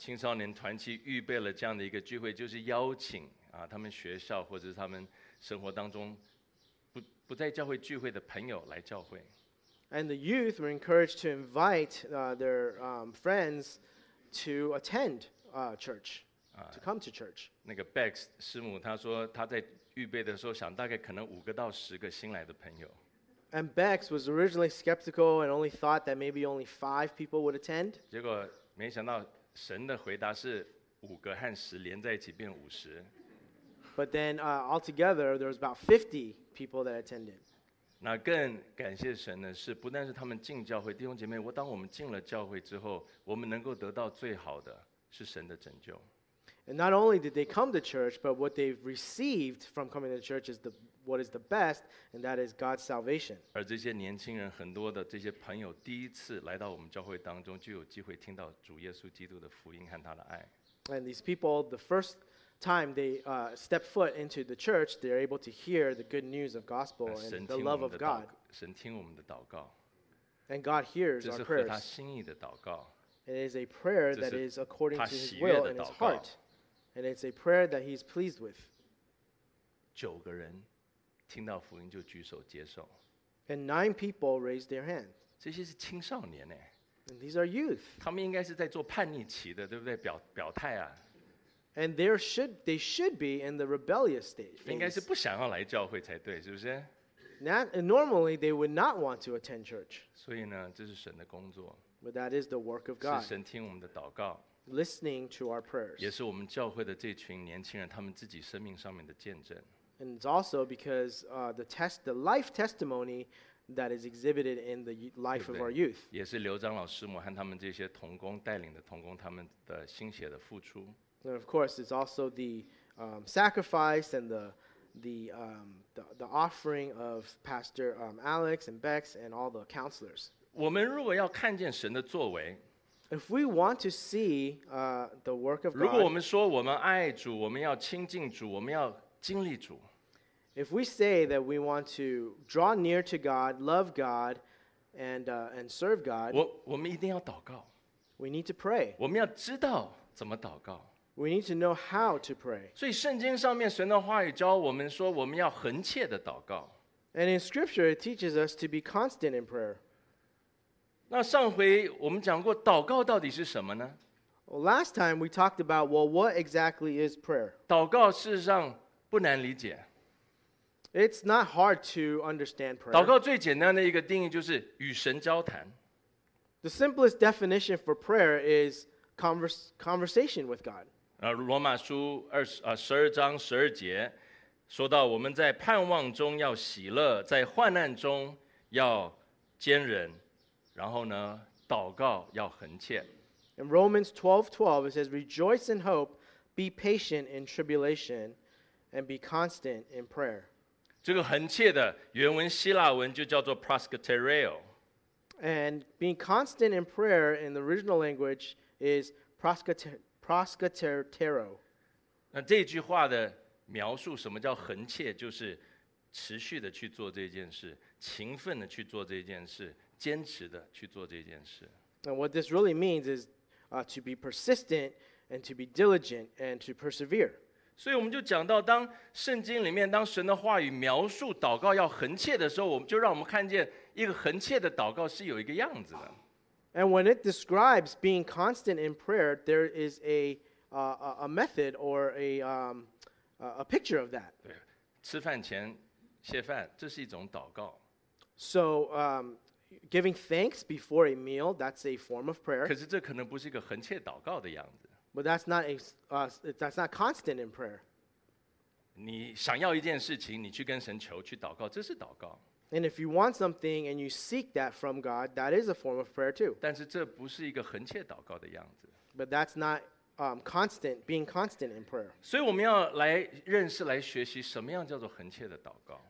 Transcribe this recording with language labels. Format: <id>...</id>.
<zh>青少年团契预备了这样的一个聚会，就是邀请他们学校或者是他们生活当中。不在教会聚会的朋友来教会。</zh> <en>And the youth were encouraged to invite their friends to attend church, to come to church.</en> <zh>那个 Bex 师母他说他在预备的时候想大概可能五个到十个新来的朋友。</zh> <en>And Bex was originally skeptical and only thought that maybe only five people would attend.</en> <zh>结果没想到神的回答是五个和十连在一起变五十。</zh> <en>But then altogether there was about 50 people that attended.</en> <zh>那更感谢神的是不但是他们进教会弟兄姐妹我当我们进了教会之后我们能够得到最好的是神的拯救。</zh> <en>And not only did they come to church, but what they've received from coming to church is what is the best, and that is God's salvation.</en> <zh>而这些年轻人很多的这些朋友第一次来到我们教会当中就有机会听到主耶稣基督的福音和他的爱。</zh> <en>And these people, the firsttime they step foot into the church, they're able to hear the good news of gospel and the love of God.</en> <zh>神听我们的祷告。</zh> <en>And God hears our prayers.</en> <zh>这是合他心意的祷告。</zh> <en>It is a prayer that is according to his will and his heart. And it's a prayer that he's pleased with.</en> <zh>九个人听到福音就举手接受。</zh> <en>And 9 people raised their hand.</en> <zh>这些是青少年耶。</zh> <en>And these are youth.</en> <zh>他们应该是在做叛逆期的，对不对？表态啊。</zh> <en>And they should be in the rebellious stage.</en> <zh>应该是不想要来教会才对，是不是？</zh> <en>Normally, they would not want to attend church.</en> <zh>所以呢，这是神的工作。</zh> <en>But that is the work of God.</en> <zh>是神听我们的祷告。</zh> <en>Listening to our prayers.</en> <zh>也是我们教会的这群年轻人他们自己生命上面的见证。</zh> <en>And it's also because the life testimony that is exhibited in the life of our youth.</en> <zh>也是刘璋老师母和他们这些同工带领的同工他们的心血的付出。</zh> <en>And of course, it's also the sacrifice and the offering of Pastor Alex and Bex and all the counselors.</en> <zh>我们如果要看见神的作为，</zh> <en>if we want to see the work of God,</en> <zh>如果我们说我们爱主，我们要亲近主，我们要经历主，</zh> <en>if we say that we want to draw near to God, love God, and serve God.</en> <zh>我们一定要祷告。</zh> <en>We need to pray.</en> <zh>我们要知道怎么祷告。</zh> <en>We need to know how to pray.</en> <zh>所以圣经上面神的话语教我们说，我们要恒切的祷告。</zh> <en>And in Scripture, it teaches us to be constant in prayer.</en> <zh>那上回我们讲过，祷告到底是什么呢？</zh> <en>Well, last time we talked about, well, what exactly is prayer?</en> <zh>祷告事实上不难理解。</zh> <en>It's not hard to understand prayer.</en> <zh>祷告最简单的一个定义就是与神交谈。</zh> <en>The simplest definition for prayer is conversation with God.</en> <zh>罗马书12:12说到我们在盼望中要喜乐，在患难中要坚忍，然后呢，祷告要恒切。</zh> <en>In Romans 12:12, it says, Rejoice in hope, be patient in tribulation, and be constant in prayer.</en> <zh>这个恒切的原文希腊文就叫做 proskatereo.</zh> <en>And being constant in prayer in the original language is proskatereo.</en> <zh>那这句话的描述什么叫恒切，就是持续的去做这件事，勤奋的去做这件事，坚持的去做这件事。</zh> <en>And what this really means is to be persistent and to be diligent and to persevere.</en> <zh>所以我们就讲到，当圣经里面，当神的话语描述祷告要恒切的时候，我们就让我们看见一个恒切的祷告是有一个样子的。</zh> <en>And when it describes being constant in prayer, there is a method or a picture of that.</en> <zh>对，吃饭前谢饭，这是一种祷告。</zh> <en>So, giving thanks before a meal, that's a form of prayer.</en> <zh>可是这可能不是一个恒切祷告的样子。</zh> <en>But that's not constant in prayer.</en> <zh>你想要一件事情，你去跟神求，去祷告，这是祷告。</zh> <en>And if you want something and you seek that from God, that is a form of prayer too.</en> <zh>但是这不是一个恒切祷告的样子。</zh> <en>But that's not being constant in prayer.</en> <zh>所以我们要来认识，来学习什么样叫做恒切的祷告。</zh>